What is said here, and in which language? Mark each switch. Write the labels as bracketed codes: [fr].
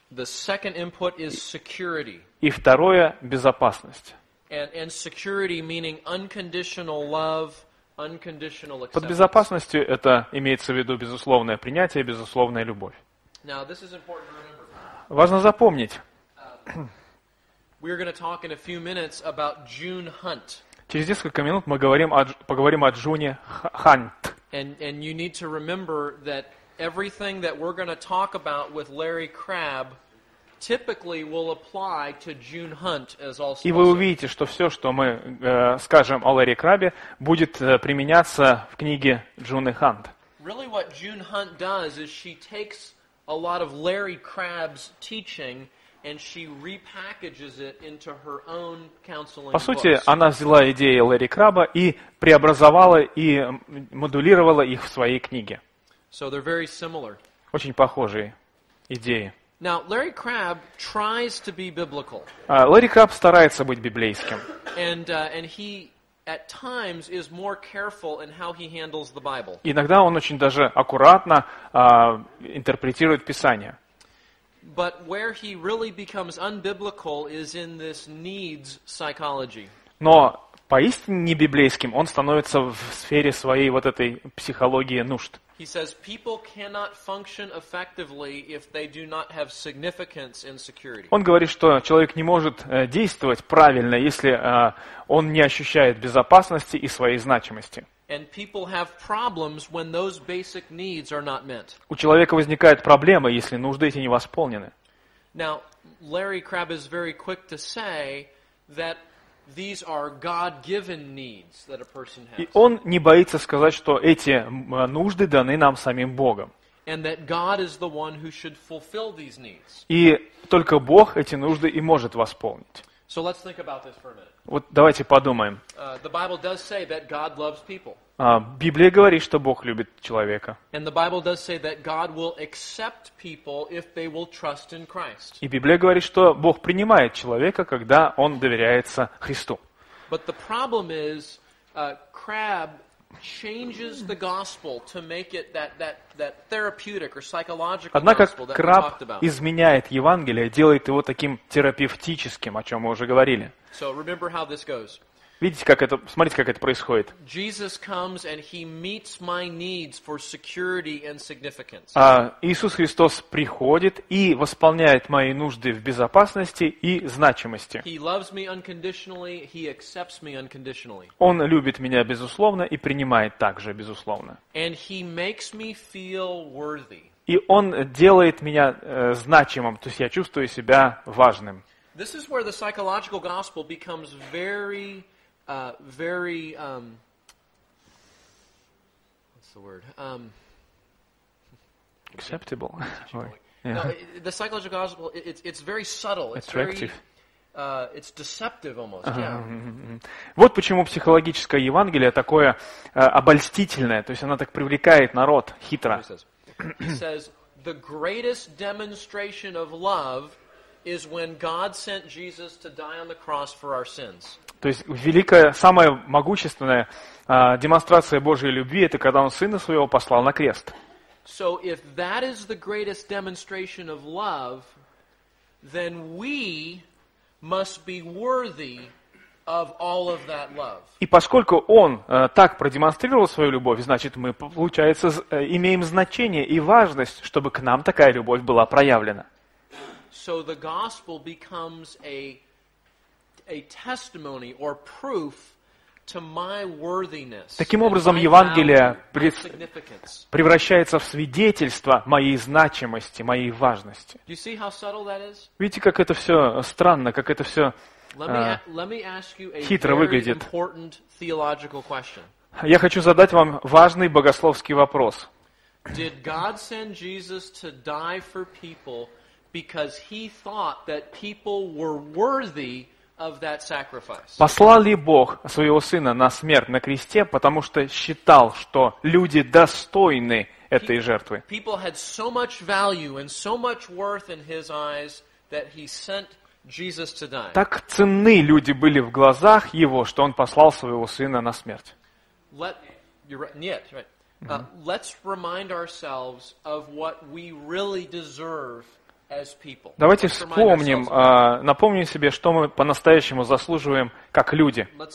[en] The second input is security. [ru] И второе – безопасность. [en] And security meaning unconditional love, unconditional acceptance. [ru] Под безопасностью это имеется в виду безусловное принятие, безусловная любовь. [en] Now, this is important to remember. [ru] Важно запомнить. [en] We're going to talk in a few minutes about June Hunt. [ru] Через несколько минут мы поговорим о Джуне Хант. [en] And you need to remember that everything that we're going to talk about with Larry Crabb typically will apply to June Hunt as also. [ru] И вы увидите, что все, что мы скажем о Ларри Краббе, будет применяться в книге Джуны Хант. [en] Really, what June Hunt does is she takes a lot of Larry Crabb's teaching. And she repackages it into her own counseling books. [ru] По сути, она взяла идеи Ларри Крабба и преобразовала и модулировала их в своей книге. [en] So they're very similar. [ru] Очень похожие идеи. [en] Now, Larry Crabb tries to be biblical. [ru] Ларри Крабб старается быть библейским. [en] And he at times is more careful in how he handles the Bible. [ru] Иногда он очень даже аккуратно интерпретирует Писание. [en] But where he really becomes unbiblical is in this needs psychology. [ru] Но поистине небиблейским он становится в сфере своей вот этой психологии нужд. [en] He says people cannot function effectively if they do not have significance and security. [ru] Он говорит, что человек не может действовать правильно, если он не ощущает безопасности и своей значимости. [en] And people have problems when those basic needs are not met. [ru] У человека возникают проблемы, если нужды эти не восполнены. [en] Now, Larry Crabb is very quick to say that these are God-given needs that a person has. [ru] И он не боится сказать, что эти нужды даны нам самим Богом. [en] And that God is the one who should fulfill these needs. [ru] И только Бог эти нужды и может восполнить. [en] So let's think about this for a minute. [ru] Вот давайте подумаем. [en] The Bible does say that God loves people. [ru] Библия говорит, что Бог любит человека. [en] And the Bible does say that God will accept people if they will trust in Christ. [ru] И Библия говорит, что Бог принимает человека, когда он доверяется Христу. [en] But the problem is Crabb changes the gospel to make it that therapeutic or psychological gospel that we talked about. [ru] Однако Краб изменяет Евангелие, делает его таким терапевтическим, о чем мы уже говорили. [en] So remember how this goes. [ru] Видите, как это, смотрите, как это происходит. [en] Jesus comes and he meets my needs for security and significance. [ru] Иисус Христос приходит и восполняет мои нужды в безопасности и значимости. [en] He loves me unconditionally, he accepts me unconditionally. [ru] Он любит меня безусловно и принимает также безусловно. [en] And he makes me feel worthy. [ru] И он делает меня значимым, то есть я чувствую себя важным. [en] This is where the psychological gospel becomes very very what's the word? Acceptable. No, the psychological gospel, it's very subtle. It's attractive. It's deceptive almost. Yeah. [ru] Вот почему психологическое Евангелие такое обольстительное, то есть она так привлекает народ хитро. [en] He says the greatest demonstration of love is when God sent Jesus to die on the cross for our sins. [ru] То есть великая, самая могущественная демонстрация Божьей любви – это когда Он Сына Своего послал на крест. [en] So if that is the greatest demonstration of love, then we must be worthy of all of that love. [ru] И поскольку Он так продемонстрировал свою любовь, значит, мы, получается, имеем значение и важность, чтобы к нам такая любовь была проявлена. [en] So the gospel becomes a testimony or proof to my worthiness. [ru] Таким образом, Евангелие превращается в свидетельство моей значимости, моей важности. [en] Do you see how subtle that is? [ru] Видите, как это все странно, как это все хитро выглядит. [en] Important theological question. [ru] Я хочу задать вам важный богословский вопрос. [en] Did God send Jesus to die for people because he thought that people were worthy of that sacrifice? [ru] Послал ли Бог своего сына на смерть на кресте, потому что считал, что люди достойны этой жертвы? [en] People had so much value and so much worth in his eyes that he sent Jesus to die. [ru] Так ценны люди были в глазах его, что он послал своего сына на смерть. [en] Let's remind ourselves of what we really deserve. [ru] Давайте вспомним, напомним себе, что мы по-настоящему заслуживаем как люди.